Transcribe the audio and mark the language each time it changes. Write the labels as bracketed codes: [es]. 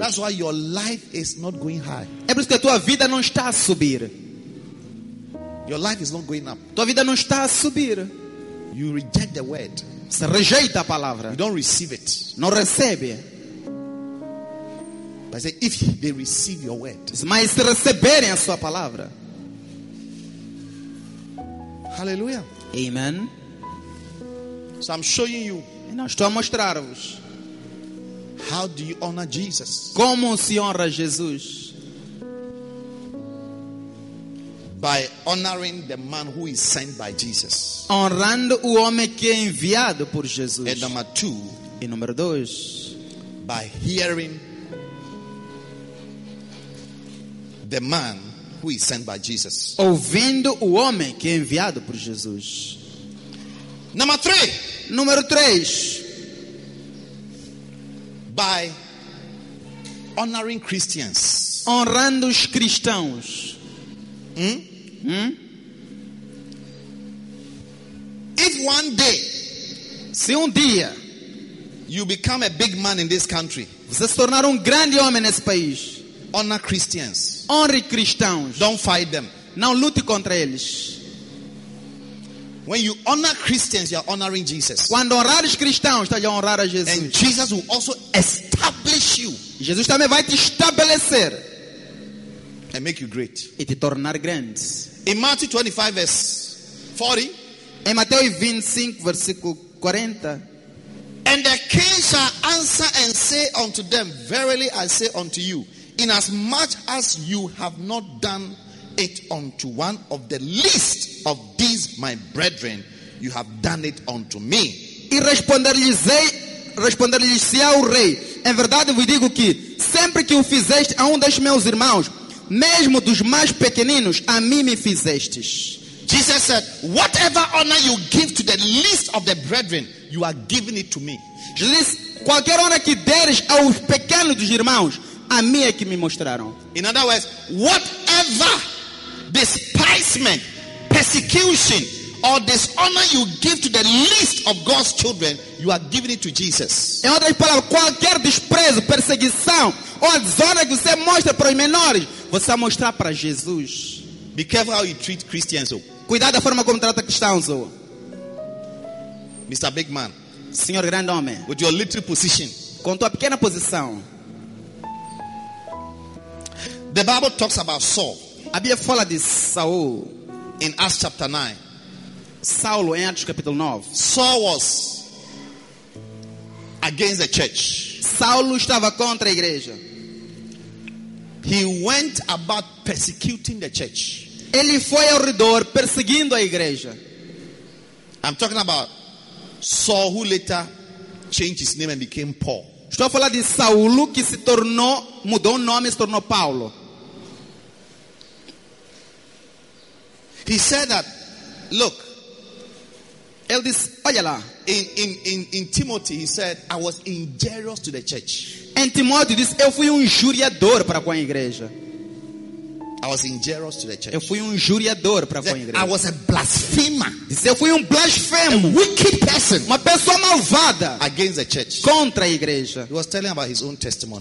[en] That's why your life is not going high. [pt] É por isso que a tua vida não está a subir. [en] Your life is not going up. [pt] Tua vida não está a subir. [en] You reject the word. [pt] Você rejeita a palavra. [en] You don't receive it. [pt] Não recebe. [en] But I say, if they receive your word. [pt] Mas se receberem a sua palavra. [en] Hallelujah. [pt] Amen. [en] So I'm showing you. [pt] E não estou a mostrar-vos. [en] How do you honor Jesus? [pt] Como se honra Jesus? [en] By honoring the man who is sent by Jesus. [pt] Honrando o homem que é enviado por Jesus. [en] And number two, [pt] e número dois, [en] by hearing the man who is sent by Jesus. [pt] Ouvindo o homem que é enviado por Jesus. [en] Number three, [pt] número três, [en] by honoring Christians. [pt] Honrando os cristãos. [en] If one day, [pt] se um dia, [en] you become a big man in this country, [pt] você se tornar grande homem nesse país, [en] honor Christians, [pt] honre cristãos, [en] don't fight them, [pt] não lute contra eles. [en] When you honor Christians, you are honoring Jesus. [pt] Quando honrar os cristãos, está a honrar a Jesus. [en] And Jesus will also establish you. [pt] Jesus também vai te estabelecer. [en] And make you great. [pt] E te tornar grande. [en] In Matthew 25 verse 40. [pt] Em Mateus 25 versículo 40. [en] And the king shall answer and say unto them, verily I say unto you, inasmuch as you have not done it unto one of the least of these my brethren, you have done it unto me. [pt] E responder-lhes-ei ao rei, em verdade vos digo que sempre que o fizeste a dos meus irmãos, mesmo dos mais pequeninos, a mim me fizestes. [en] Jesus said, whatever honor you give to the least of the brethren, you are giving it to me. [pt] Jesus, qualquer honra que deres aos pequenos dos irmãos, a mim é que me mostraram. [en] In other words, whatever despisement, persecution, or dishonor you give to the least of God's children, you are giving it to Jesus. [pt] Em outras palavras, qualquer desprezo, perseguição, ou desonra que você mostra para os menores, você vai mostrar para Jesus. [en] Be careful how you treat Christians. [pt] Cuidado da forma como trata cristãos. [en] Mr. Big Man. [pt] Senhor grande homem. [en] With your little position. [pt] Com tua pequena posição. [en] The Bible talks about Saul. [pt] A Bíblia fala de Saul. [en] In Acts chapter 9. [pt] Saulo em Atos capítulo 9. [en] Saul was against the church. [pt] Saulo estava contra a igreja. [en] He went about persecuting the church. [pt] Ele foi ao redor perseguindo a igreja. [en] I'm talking about Saul who later changed his name and became Paul. [pt] Estou a falar de Saulo que se tornou, mudou o nome e se tornou Paulo. [en] He said that, look, [pt] ele disse, olha lá. [en] In Timothy, he said, I was injurious to the church. [pt] Em Timóteo disse, eu fui injuriador para com a igreja. [en] I was injurious to the church. [pt] Eu fui injuriador para com a igreja. [en] I was a blasphemer. [pt] Disse, eu fui blasfemo. [en] A wicked person. [pt] Uma pessoa malvada. [en] Against the church. [pt] Contra a igreja. [en] He was telling about his own testimony.